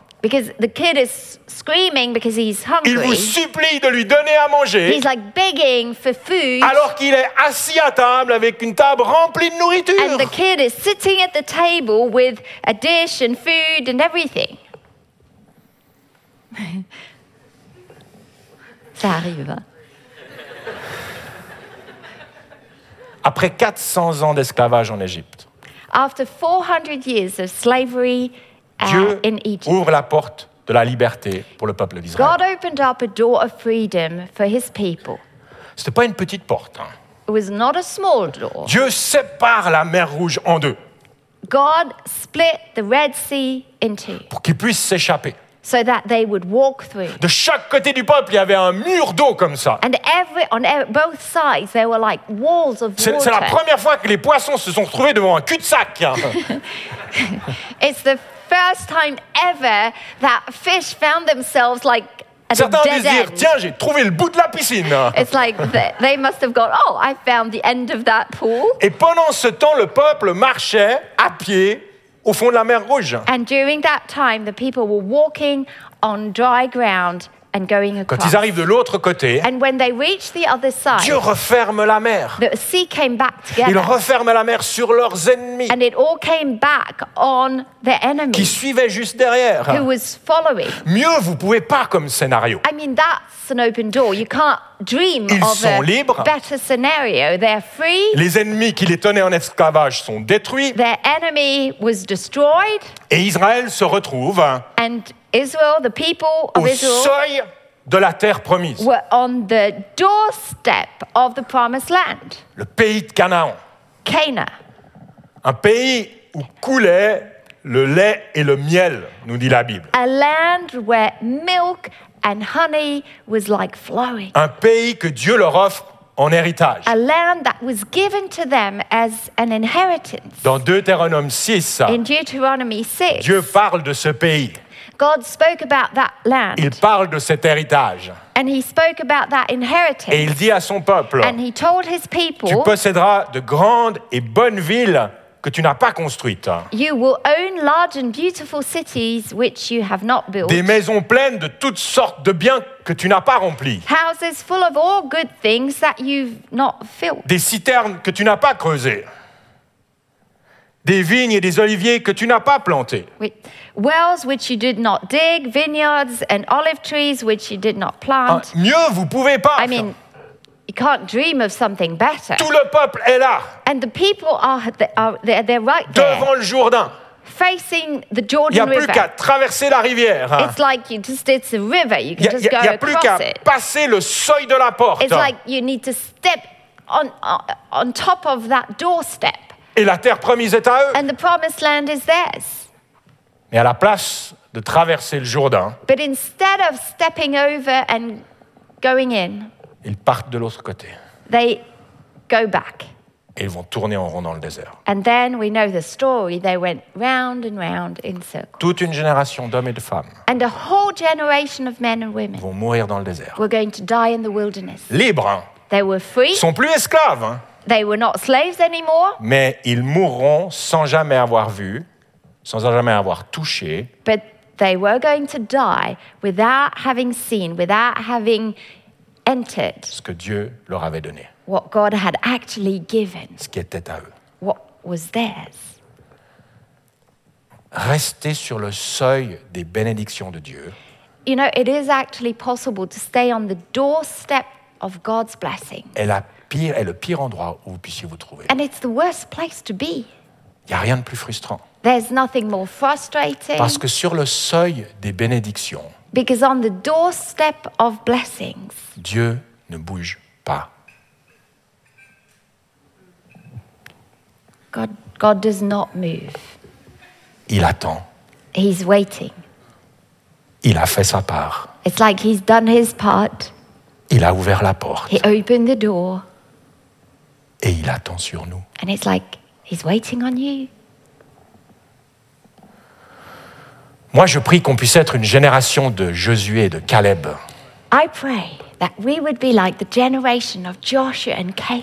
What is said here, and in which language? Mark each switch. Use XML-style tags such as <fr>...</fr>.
<en>Because the kid is screaming because he's hungry.</en> <fr>Il vous supplie de lui donner à manger.</fr> <en>He's like begging for food.</en> <fr>Alors qu'il est assis à table avec une table remplie de nourriture.</fr> <en>And the kid is sitting at the table with a dish and food and everything.</en> <fr>Ça arrive. Hein? Après 400 ans d'esclavage en Égypte.</fr> <en>After 400 years of slavery.</en> <fr>Dieu ouvre la porte de la liberté pour le peuple d'Israël.</fr> <en>God opened up a door of freedom for his people.</en> <fr>C'était pas une petite porte.</fr> <en>It was not a small door.</en> <fr>Dieu sépare la mer Rouge en deux.</fr> <en>God split the Red Sea in two.</en> <fr>Pour qu'ils puissent s'échapper.</fr> <en>So that they would walk through.</en> <fr>De chaque côté du peuple, il y avait un mur d'eau comme ça.</fr> <en>And both sides, there were like walls of water.</en> <fr>C'est la première fois que les poissons se sont retrouvés devant un cul-de-sac.</fr> <en>It's the first time ever that fish found themselves like at</en> <fr>certains</fr> <en>a dead end.</en> <fr>Certains disent, tiens, j'ai trouvé le bout de la piscine.</fr> <en>It's like they must have gone, oh, I found the end of that pool.</en> <fr>Et pendant ce temps, le peuple marchait à pied au fond de la mer Rouge.</fr> <en>And during that time, the people were walking on dry ground and going across.</en> <fr>Quand ils arrivent de l'autre côté,</fr> <en>and when they reached the other side,</en> <fr>Dieu referme la mer.</fr> <en>The sea came back together.</en> <fr>Il referme la mer sur leurs ennemis.</fr> <en>And it all came back on their enemies.</en> <fr>Qui suivaient juste derrière.</fr> <en>Who was following.</en> <fr>Mieux, vous pouvez pas comme scénario.</fr> <en>I mean, that's an open door. You can't dream</en> <fr>ils</fr> <en>of</en> <fr>sont</fr> <en>a</en> <fr>libres.</fr> <en>Better scenario. They're free.</en> <fr>Les ennemis qui les tenaient en esclavage sont détruits.</fr> <en>Their enemy was destroyed.</en> <fr>Et Israël se retrouve.</fr> <en>And Israel, the people of Israel,</en> <fr>au seuil de la terre promise,</fr> <en>were on the doorstep of the promised land.</en> <fr>Le pays de Canaan.</fr> <en>Cana.</en> <fr>Un pays où coulait le lait et le miel, nous dit la Bible.</fr> <en>A land where milk and honey was like flowing.</en> <fr>Un pays que Dieu leur offre en héritage.</fr> <en>A land that was given to them as an inheritance.</en> <fr>Dans Deutéronome 6,</fr> <en>in Deuteronomy 6,</en> <fr>Dieu parle de ce pays.</fr> <en>God spoke about that land.</en> <fr>Il parle de cet héritage.</fr> <en>And he spoke about that inheritance.</en> <fr>Et il dit à son peuple.</fr> <en>And he told his people.</en> <fr>Tu posséderas de grandes et bonnes villes que tu n'as pas construites.</fr> <en>You will own large and beautiful cities which you have not built.</en> <fr>Des maisons pleines de toutes sortes de biens que tu n'as pas remplis.</fr> <en>Houses full of all good things that you've not filled.</en> <fr>Des citernes que tu n'as pas creusées. Des vignes et des oliviers que tu n'as pas plantés. Oui.</fr> <en>Wells which you did not dig, vineyards and olive trees which you did not plant.</en> <fr>Ah, mieux, vous pouvez pas.</fr> <en>I mean, you can't dream of something better.</en> <fr>Tout le peuple est là.</fr> <en>And the people are right</en> <fr>devant</fr> <en>there.</en> <fr>Devant le Jourdain.</fr> <en>Facing the Jordan River.</en> <fr>Il n'y a plus qu'à traverser la rivière.</fr> <en>It's like it's a river. You can just go across it.</en> <fr>n'y a plus qu'à passer le seuil de la porte.</fr> <en>It's like you need to step on top of that doorstep.</en> <fr>Et la terre promise est à eux.</fr> <en>And the promised land is theirs.</en> <fr>Mais à la place de traverser le Jourdain,</fr> <en>but instead of stepping over and going in,</en> <fr>ils partent de l'autre côté.</fr> <en>They go back.</en> <fr>Et ils vont tourner en rond dans le désert.</fr> <en>And then we know the story. They went round and round in circles.</en> <fr>Toute une génération d'hommes et de femmes.</fr> <en>And a whole generation of men and women.</en> <fr>Vont mourir dans le désert.</fr> <en>Were going to die in the wilderness.</en> <fr>Libres. Hein?</fr> <en>They were free.</en> <fr>Ils sont plus esclaves. Hein?</fr> <en>They were not slaves anymore.</en> <fr>Mais ils mourront sans jamais avoir vu, sans jamais avoir touché.</fr> <en>But they were going to die without having seen, without having entered.</en> <fr>Ce que Dieu leur avait donné.</fr> <en>What God had actually given.</en> <fr>Ce qui était à eux.</fr> <en>What was theirs.</en> <fr>Rester sur le seuil des bénédictions de Dieu.</fr> <en>You know, it is actually possible to stay on the doorstep of God's blessing.</en> <fr>Est le pire endroit où vous puissiez vous trouver.</fr> <en>And it's the worst place to be.</en> <fr>Il n'y a rien de plus frustrant.</fr> <en>There's nothing more frustrating.</en> <fr>Parce que sur le seuil des bénédictions.</fr> <en>Because on the doorstep of blessings.</en> <fr>Dieu ne bouge pas.</fr> <en>God does not move.</en> <fr>Il attend.</fr> <en>He's waiting.</en> <fr>Il a fait sa part.</fr> <en>It's like he's done his part.</en> <fr>Il a ouvert la porte.</fr> <en>He opened the door.</en> <fr>Et il attend sur nous.</fr> <en>And it's like he's waiting on you.</en> <fr>Moi, je prie qu'on puisse être une génération de Josué et de Caleb.</fr> <en>I pray that we would be like the generation of Joshua and Caleb.</en>